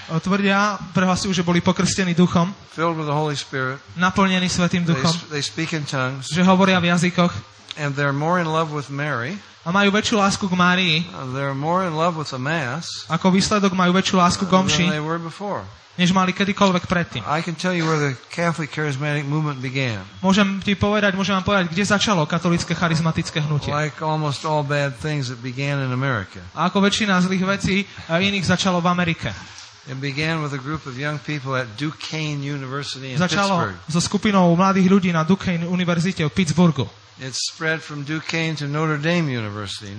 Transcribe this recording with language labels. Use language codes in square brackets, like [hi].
[sk] Tvrdia, prehlasujú, že boli pokrstení duchom. [en] Filled with the Holy Spirit. [sk] Naplnení svätým duchom. [en] They speak in tongues. [sk] Že hovoria v jazykoch. [en] And they're more in love with Mary. [sk] A majú väčšiu lásku k Márii. [en] They're more in love with the Mass. [sk] Ako výsledok majú väčšiu lásku k omši. [en] They were before. [sk] Než mali kedykoľvek predtým. [en] I can tell you where the Catholic charismatic movement began. [sk] Môžem vám povedať, kde začalo katolícke charizmatické hnutie. [en] Like almost all bad things that began in America. [sk] A ako väčšina zlých vecí iných začalo v Amerike. [en] It began with a group of young people at Duquesne University in [sk] začalo [en] Pittsburgh. [sk] Začalo so skupinou mladých ľudí na Duquesne univerzite v Pittsburghu. [en] It spread from Duquesne to Notre Dame University.